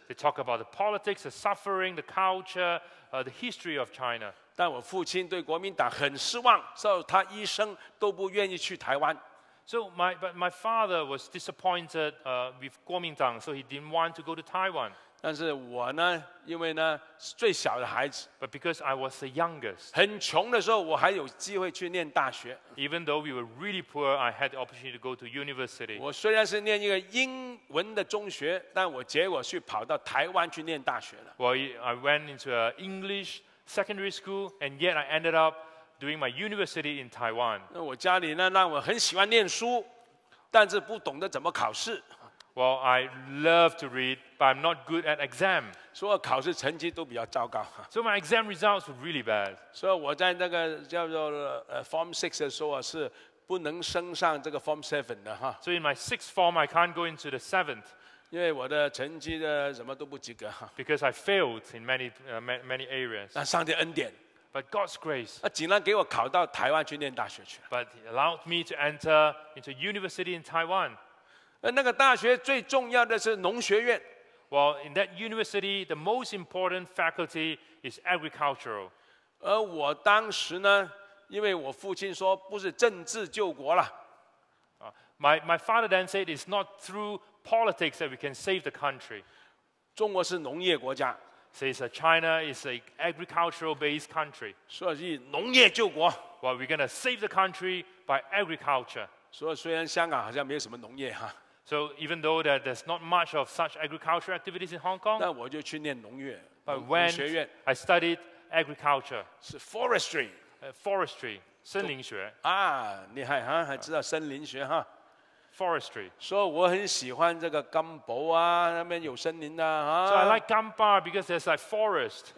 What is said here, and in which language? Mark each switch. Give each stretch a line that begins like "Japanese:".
English: They talk about the politics, the suffering, the culture, the history of China.
Chinese: 但我父亲对国民党很失望，所以他一生都不愿意去台湾。
English: So my father was disappointed with 国民党 so he didn't want to go to Taiwan.
Chinese: 但是我呢，因为呢是最小的孩子
English: ，But because I was the youngest.
Chinese: 很穷的时候，我还有机会去念大学。
English: Even though we were really poor, I had the opportunity to go to university.
Chinese: 我虽然是念一个英文的中学，但我结果是跑到台湾去念大学了。
English: Well, I went into an English. Secondary school, and yet I ended up doing my university in Taiwan.
Chinese: 那我家里呢，让我很喜欢念书，但是不懂得怎么考试。
English: Well, I love to read, but I'm not good at exam.
Chinese: 所以考试成绩都比较糟糕。
English: So my exam results were really bad.
Chinese: 所以我在那个叫做Form 6的时候是不能升上这个 Form 7的哈。
English: So in my sixth form, I can't go into the seventh.
Chinese: 因为我的成绩的什么都不及格。
English: Because I failed in many areas.
Chinese: 那上帝恩典。
English: But God's grace.
Chinese: 那竟然给我考到台湾去念大学去。
English: But he allowed me to enter into university in Taiwan.
Chinese: 那个大学最重要的是农学院。
English: Well, in that university, the most important faculty is agricultural.
Chinese: 而我当时呢，因为我父亲说不是政治救国了。
English: My father then said it's not through. Politics that we can save the country.
Chinese: 中国是农业国家
English: says China is an agricultural-based country.
Chinese: 所以农业救国
English: Well, we're going to save the country by agriculture.
Chinese: 所以虽然香港好像没有什么农业
English: So even though that there's not much of such agricultural activities in Hong Kong,
Chinese: 但我就去念农业
English: But when
Chinese: 学院
English: I studied agriculture, 是 forestry,
Chinese: forestry, 森林学啊，厉害哈，还知道森林学哈。
English: Forestry.
Chinese: So, 我很喜欢这个甘博啊，那边有森林啊。
English: So I like Gampa because there's like forest.